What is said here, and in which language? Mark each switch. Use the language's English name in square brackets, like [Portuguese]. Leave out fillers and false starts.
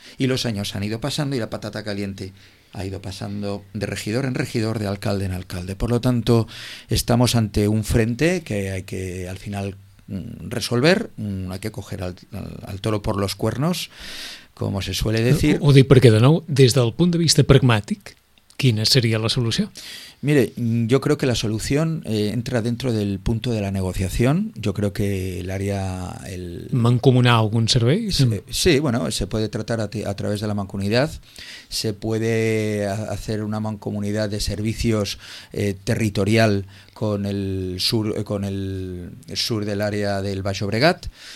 [Spanish] Y los años han ido pasando y la patata caliente ha ido pasando de regidor en regidor, de alcalde en alcalde. Por lo tanto, estamos ante un frente que hay que al final resolver, hay que coger al toro por los cuernos, como se suele decir. [Catalan] Ho dic perquè, de nou, des del punt de vista pragmàtic, ¿quina seria la solució? [Spanish] Mire, yo creo que la solución entra dentro del punto de la negociación. Yo creo que el área... [Catalan] ¿Mancomunar algún servei? [Spanish] Sí, bueno, se puede tratar a través de la mancomunidad. Se puede hacer una mancomunidad de servicios territorial con el sur del área del Baix Llobregat.